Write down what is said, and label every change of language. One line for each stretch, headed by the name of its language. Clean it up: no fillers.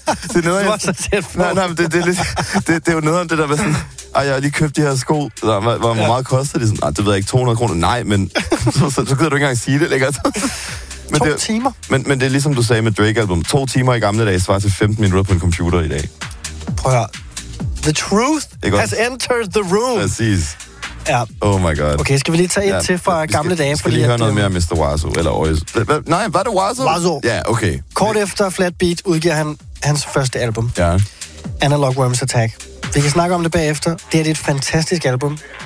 Danish: Det er noget, du var så tæt på. Nej, men det er jo noget om det der med sådan... Ej, jeg har lige købt de her sko. Hvor ja, meget koster de? Sådan, det ved jeg ikke, 200 kroner. Nej, men så gider du ikke engang sige det, ikke? Men 2 timer? Men det er ligesom du sagde med Drake-album. 2 timer i gamle dage svarer til 15 minutter på en computer i dag. Prøv at høre.
English: The truth has entered the room.
Danish: Præcis. Ja.
English: Oh my god.
Danish: Okay, skal vi lige tage et, ja, til fra gamle dage? Vi skal lige høre noget mere om Mr. Wazo. Eller nej, var det Wazo? Wazo. Ja, okay. Kort efter Flatbeat udgiver han hans første album. Ja. Analog Worms Attack. Vi kan snakke om det bagefter. Det er et fantastisk album.